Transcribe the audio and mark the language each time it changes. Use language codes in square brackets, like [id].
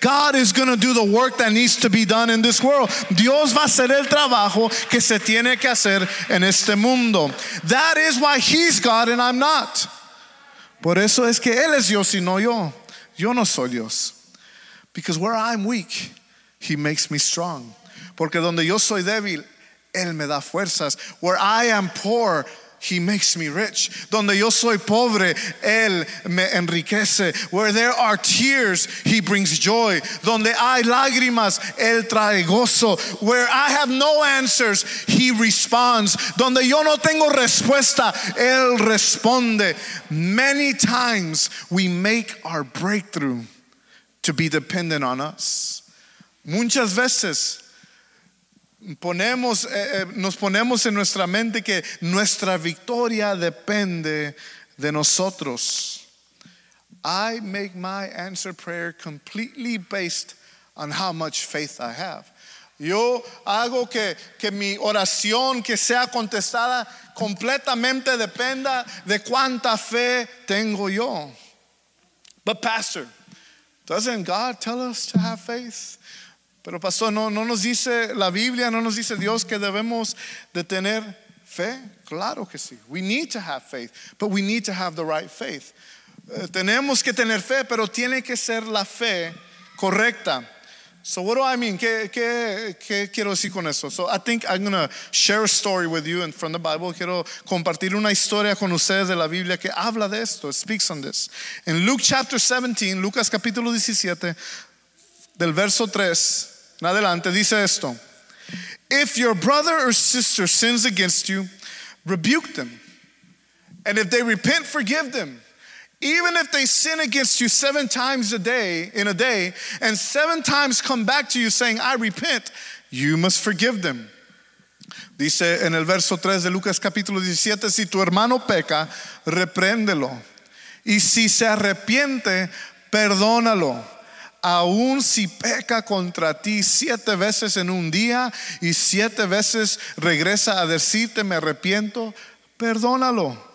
[en] God is going to do the work that needs to be done in this world. [es] Dios va a hacer el trabajo que se tiene que hacer en este mundo. [en] That is why he's God and I'm not. [es] Por eso es que él es Dios y no yo. Yo no soy Dios. [en] Because where I'm weak, he makes me strong. [es] Porque donde yo soy débil, él me da fuerzas. [en] Where I am poor, he makes me rich. [es] Donde yo soy pobre, él me enriquece. [en] Where there are tears, he brings joy. [es] Donde hay lágrimas, él trae gozo. [en] Where I have no answers, he responds. [es] Donde yo no tengo respuesta, él responde. [en] Many times we make our breakthrough to be dependent on us. [es] Muchas veces nos ponemos en nuestra mente que nuestra victoria depende de nosotros. [en] I make my answer prayer completely based on how much faith I have. [es] Yo hago que mi oración que sea contestada completamente dependa de cuánta fe tengo yo. [en] But pastor, doesn't God tell us to have faith? [es] Pero pastor, no nos dice la Biblia, no nos dice Dios que debemos de tener fe. Claro que sí. [en] We need to have faith, but we need to have the right faith. [es] Tenemos que tener fe, pero tiene que ser la fe correcta. [en] So what do I mean? [es] ¿Qué quiero decir con eso? [en] So I think I'm going to share a story with you and from the Bible. [es] Quiero compartir una historia con ustedes de la Biblia que habla de esto. [en] It speaks on this. In Luke chapter 17, [es] Lucas capítulo 17, del verso 3 en adelante dice esto: [en] If your brother or sister sins against you, rebuke them. And if they repent, forgive them. Even if they sin against you seven times a day, in a day, and seven times come back to you saying, I repent, you must forgive them. [es] Dice en el verso 3 de Lucas capítulo 17: Si tu hermano peca, repréndelo. Y si se arrepiente, perdónalo. Aún si peca contra ti siete veces en un día y siete veces regresa a decirte me arrepiento, perdónalo.